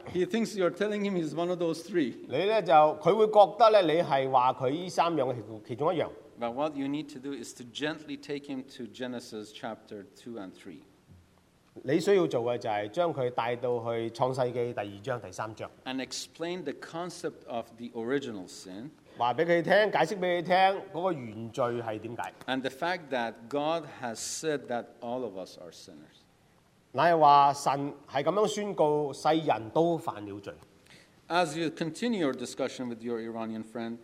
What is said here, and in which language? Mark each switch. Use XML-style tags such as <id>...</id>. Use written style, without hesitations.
<en>，he thinks you're telling him he's one of those three。</en> <yue>你咧就佢會覺得咧你係話佢依三樣嘅其中一樣。</yue> <en>But what you need to do is to gently take him to Genesis chapter 2 and 3。</en> <yue>你需要做嘅就係將佢帶到去創世記第二章第三章。</yue> <en>And explain the concept of the original sin。</en> <yue>話俾佢聽，解釋俾佢聽，嗰個原罪係點解</yue> <en>？And the fact that God has said that all of us are sinners，</en> <yue>乃係話神係咁樣宣告世人都犯了罪。</yue> <en>As you continue your discussion with your Iranian friend，</en>